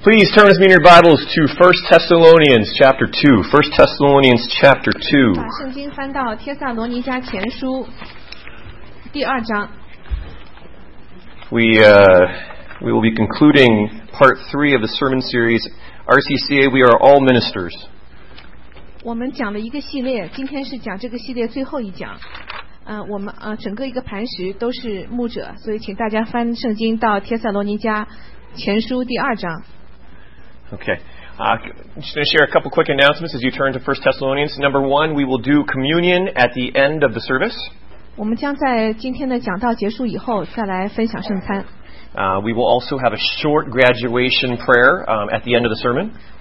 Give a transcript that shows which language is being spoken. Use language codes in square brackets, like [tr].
[en] Please turn with me in your Bibles to 1 Thessalonians chapter 2. 1 Thessalonians chapter 2. [zh] 把圣经翻到帖撒罗尼迦前书, 第二章. [en] We will be concluding part 3 of the sermon series, RCCA, We Are All Ministers. [zh] 我们讲了一个系列, 今天是讲这个系列最后一讲。我们整个一个磐石都是牧者 所以请大家翻圣经到帖撒罗尼迦前书第二章 [en] Okay, I'm just going to share a couple quick announcements as you turn to 1 Thessalonians. Number one, we will do communion at the end of the service. [zh] 我们将在今天的讲道结束以后再来分享圣餐。 [en] We will also have a short graduation prayer at the end of the sermon.